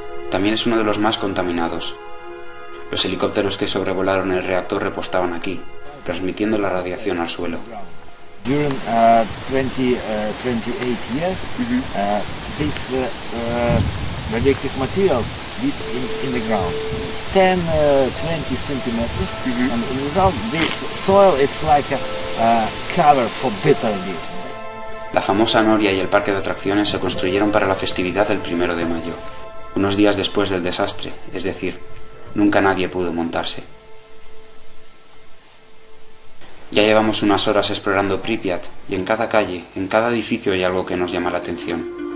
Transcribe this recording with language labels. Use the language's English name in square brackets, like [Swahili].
[Spanish] También es uno de los más contaminados. Los helicópteros que sobrevolaron el reactor repostaban aquí, transmitiendo la radiación al suelo. [English] During 28 years, this radioactive materials deep in the ground, 10-20 centimeters, and in result, this soil it's like a cover for bitter leaf. [Spanish] La famosa noria y el parque de atracciones se construyeron para la festividad del 1 de mayo, unos días después del desastre, es decir, nunca nadie pudo montarse. Ya llevamos unas horas explorando Pripyat, y en cada calle, en cada edificio hay algo que nos llama la atención.